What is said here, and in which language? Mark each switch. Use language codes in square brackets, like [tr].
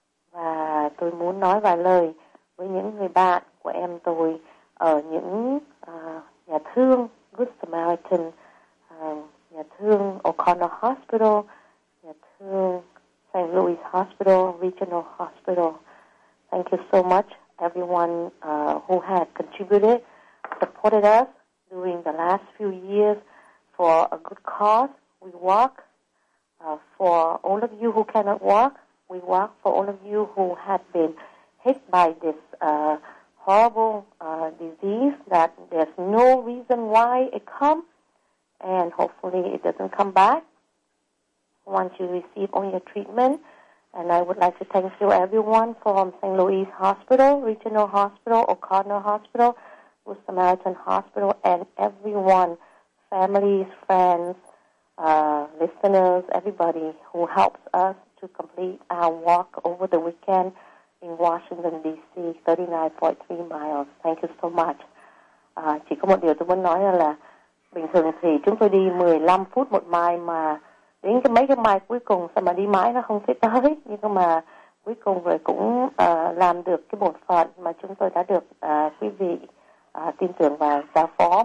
[vi] Và tôi muốn nói vài lời với những người bạn của em tôi ở những nhà thương Good Samaritan, nhà thương O'Connor Hospital, nhà thương St. Louis Hospital, Regional Hospital. [en] Thank you so much, everyone who had contributed, supported us during the last few years for a good cause. We walk for all of you who cannot walk. We walk for all of you who have been hit by this horrible disease that there's no reason why it comes, and hopefully it doesn't come back. Once you receive all your treatment, and I would like to thank you, everyone from St. Louis Hospital, Regional Hospital, O'Connor Hospital, Good Samaritan Hospital, and everyone, families, friends, listeners, everybody who helps us to complete our walk over the weekend in Washington, D.C., 39.3 miles. Thank you so much. [vi] Chỉ có một điều tôi muốn nói là bình thường thì chúng tôi đi 15 phút một mai, mà đến cái mấy cái mai cuối cùng sao mà đi mãi nó không thấy tới, nhưng mà cuối cùng rồi cũng làm được cái bổn phận mà chúng tôi đã được quý vị tin tưởng và giao phó.